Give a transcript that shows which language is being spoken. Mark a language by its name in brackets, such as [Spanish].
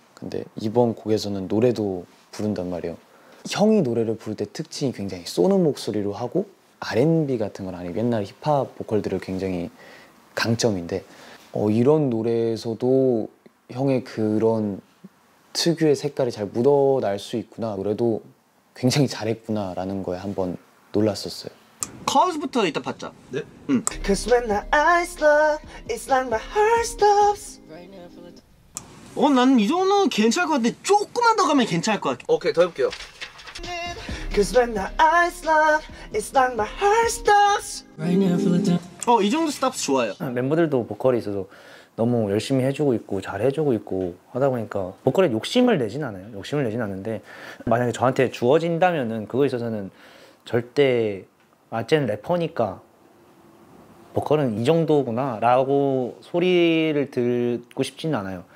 [Korean] 근데 이번 곡에서는 노래도 부른단 말이에요. 형이 노래를 부를 때 특징이 굉장히 쏘는 목소리로 하고 R&B 같은 건 아니고 옛날 힙합 보컬들을 굉장히 강점인데 이런 노래에서도 형의 그런 특유의 색깔이 잘 묻어날 수 있구나 노래도 굉장히 잘했구나라는 거에 한번 놀랐었어요. cause부터 이따 받자. 네? 응. [English] Cause when the eyes love, it's like my heart stops. [Korean] 어, 난 이 정도는 괜찮을 것 같아. 조금만 더 가면 괜찮을 것 같아. 오케이, 더 해볼게요. [English] Cause when the eyes love, it's like my heart stops. [Korean] 어, 이 정도 stops 좋아요. 멤버들도 보컬이 있어서 너무 열심히 해주고 있고 잘 해주고 있고 하다 보니까 보컬에 욕심을 내진 않아요. 욕심을 내진 않는데 만약에 저한테 주어진다면은 그거 있어서는 절대 아젠 래퍼니까 보컬은 이 정도구나 라고 소리를 듣고 싶진 않아요.